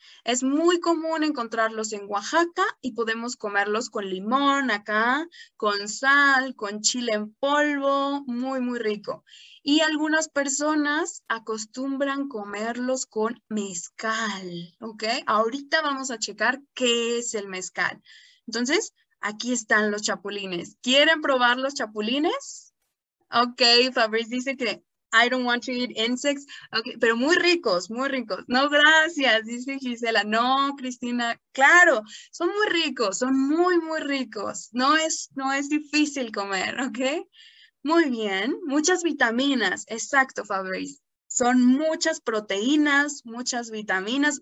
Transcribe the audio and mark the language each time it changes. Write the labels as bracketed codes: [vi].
[es] Es muy común encontrarlos en Oaxaca y podemos comerlos con limón acá, con sal, con chile en polvo, muy, muy rico. Y algunas personas acostumbran comerlos con mezcal, ¿ok? Ahorita vamos a checar qué es el mezcal. Entonces, aquí están los chapulines. ¿Quieren probar los chapulines? Ok, Fabrice dice que [en] I don't want to eat insects. [es] Okay, pero muy ricos, muy ricos. No, gracias, dice Gisela. No, Cristina. Claro, son muy ricos, son muy, muy ricos. No es difícil comer, ¿ok? Muy bien, muchas vitaminas. Exacto, Fabrice. Son muchas proteínas, muchas vitaminas.